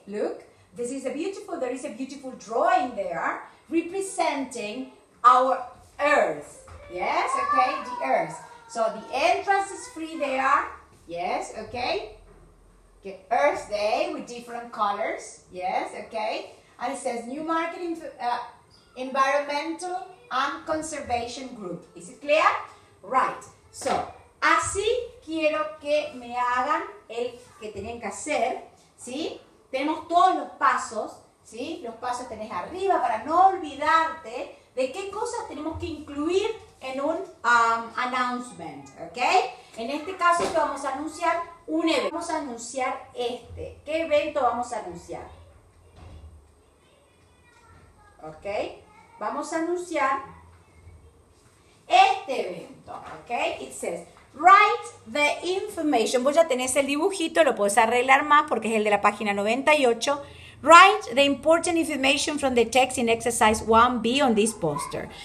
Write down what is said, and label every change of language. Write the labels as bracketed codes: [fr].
[en] Look, this is a beautiful, there is a beautiful drawing there representing our Earth, yes, okay, the Earth. So the entrance is free there, yes, okay. Get Earth Day with different colors, yes, okay. And it says New Market Environmental and Conservation Group. Is it clear? Right. [es] So, así quiero que me hagan el que tienen que hacer, ¿sí? Tenemos todos los pasos, ¿sí? Los pasos tenés arriba para no olvidarte de qué cosas tenemos que incluir en un announcement, ¿ok? En este caso vamos a anunciar un evento. Vamos a anunciar este. ¿Qué evento vamos a anunciar? ¿Ok? Vamos a anunciar este evento, ¿ok? [en] It says, write the information. [es] Vos ya tenés el dibujito, lo podés arreglar más porque es el de la página 98. [en] Write the important information from the text in exercise 1B on this poster.